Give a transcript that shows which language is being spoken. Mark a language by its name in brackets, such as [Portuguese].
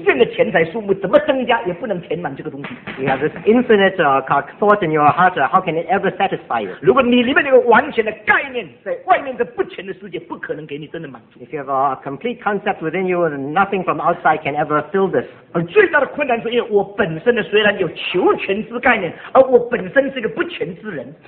[Chinese] 如果你里面有个无限大的观念，有限的钱财数目怎么增加也不能填满这个东西。 [English] You have this infinite thought in your heart, how can it ever satisfy you? [Chinese] 如果你里面有个完全的概念，在外面的不全的世界，不可能给你真的满足。 [English] If you have a complete concept within you, nothing from outside can ever fill this. [Chinese] 而最大的困难是因为我本身呢，虽然有求全之概念，而我本身是个不全之人。